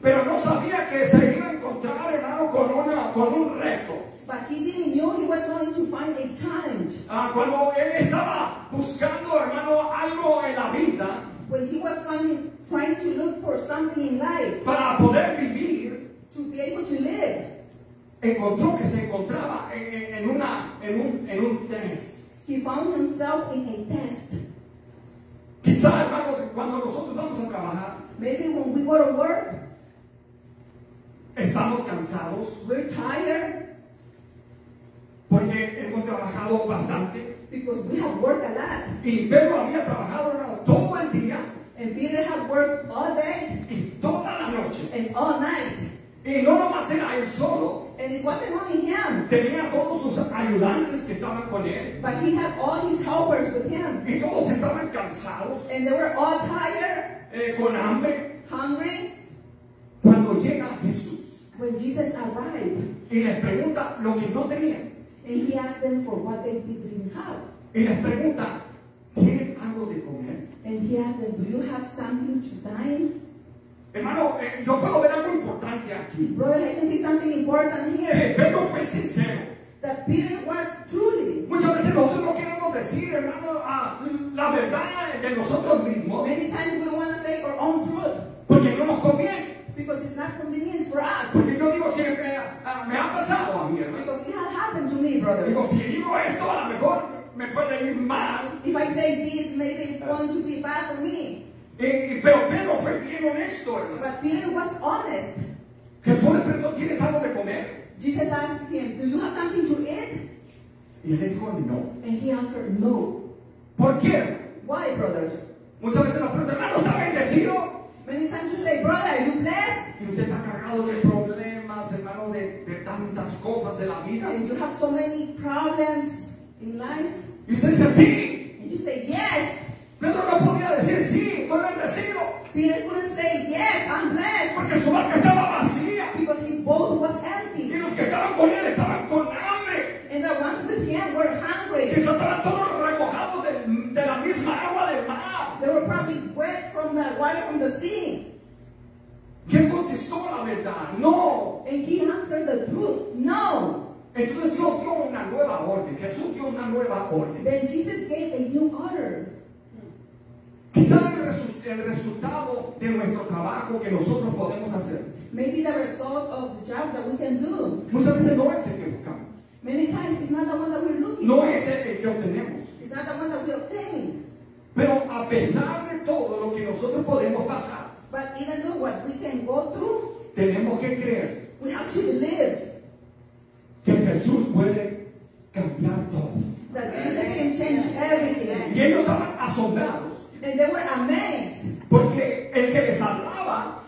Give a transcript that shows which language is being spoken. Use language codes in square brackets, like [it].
[es] Pero no sabía que se iba a encontrar, hermano, con un reto. [en] But he didn't know he was going to find a challenge. [es] Cuando él estaba buscando, hermano, algo en la vida. [en] When he was trying to look for something in life. [es] Para poder vivir. [en] To be able to live. [es] encontró que se encontraba en un test. [en] He found himself in a test. [es] Quizá, hermano, cuando nosotros vamos a trabajar, [en] maybe when we go to work, [es] estamos cansados. [en] We're tired. [es] Porque hemos trabajado bastante. [en] Because we have worked a lot. [es] Y Pedro había trabajado todo el día. [en] And Peter had worked all day. [es] Y toda la noche. [en] And all night. [es] Y no nomás era él solo. [en] And it wasn't only him. [es] Tenía todos sus ayudantes que estaban con él. [en] But he had all his helpers with him. [es] Y todos estaban cansados. [en] And they were all tired. [es] Con hambre. [en] Hungry. [es] Cuando llega Jesús. [en] When Jesus arrived. [es] Y les pregunta lo que no tenían. [en] And he asked them for what they didn't have. [es] Y les pregunta, ¿tienen algo de comer? [en] And he asked them, do you have something to dine? [es] Hermano, yo puedo ver algo importante aquí. [en] Brother, I can see something important here. [es] Que Pedro fue sincero. [en] That Peter was truly. [es] Muchas veces nosotros no queremos decir, hermano, la verdad de nosotros mismos. [en] Many times we want to say our own truth. [es] Porque no nos conviene. [en] Because it's not convenient for us. [es] Porque yo digo siempre, me ha pasado a mí, hermano. [en] Because it has happened to me, brother. [es] Digo, si digo esto, a lo mejor me puede ir mal. [en] If I say this, maybe it's going to be bad for me. [es] Pero Pedro fue bien honesto, hermano. [en] But Peter was honest. [es] Jesús le preguntó, ¿tienes algo de comer? [en] Jesus asked him, do you have something to eat? [es] Y él dijo, no. [en] And he answered, no. [es] ¿Por qué? [en] Why, brothers? [es] Muchas veces nos preguntan, hermano, ¿está bendecido? [en] Many times you say, brother, are you blessed? [es] Y usted está cargado de problemas, hermano, de tantas cosas de la vida. [en] And you have so many problems in life. [es] Y usted dice, sí. [en] And you say, yes. [es] Pedro no podía decir, sí, estoy bendecido. [en] Peter couldn't say, yes, I'm blessed. [es] Porque su barca estaba vacía. [en] Because his boat was empty. [es] Y los que estaban con él estaban con hambre. [en] And the ones with him were hungry. [es] Y estaban todos remojados de la misma agua del mar. [en] They were probably wet from the water from the sea. [es] ¿Quién contestó la verdad? No. [en] And he answered the truth. No. [es] Entonces Dios dio una nueva orden. Jesús dio una nueva orden. [en] Then Jesus gave a new order. [es] Quizás el resultado de nuestro trabajo que nosotros podemos hacer. [en] Maybe the result of the job that we can do. [es] Muchas veces no es el que buscamos. [en] Many times it's not the one that we're looking for. [es] No es el que obtenemos. [en] It's not the one that we obtain. [es] Pero a pesar de todo lo que nosotros podemos pasar, [en] but even though what we can go through, [es] tenemos que creer, [en] we have to believe, [es] que Jesús puede cambiar todo. [en] That Jesus can change everything. [es] Y ellos estaban asombrados. [en] And they were amazed. [es] Porque el que les hablaba,